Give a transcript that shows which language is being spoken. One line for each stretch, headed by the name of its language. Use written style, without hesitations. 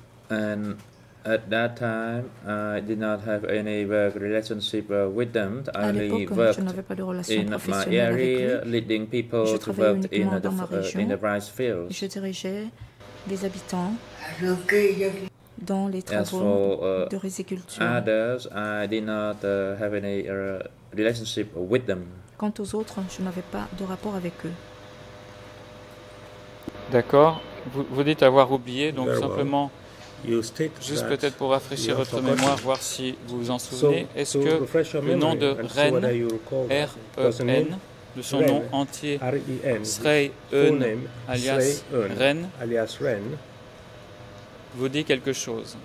English: And at that time, I did not have any work relationship with them. I only worked in my area, leading people to work in the rice fields.
French: Je dirigeais des habitants dans les travaux de riziculture.
English: Others, I did not have any relationship with them.
French: Quant aux autres, je n'avais pas de rapport avec eux. D'accord. Vous dites avoir oublié, donc simplement, juste peut-être pour rafraîchir votre mémoire, voir si vous vous en souvenez. Est-ce que le nom de Ren, R-E-N, de son nom entier, Srey Eun, alias Ren, vous dit quelque chose?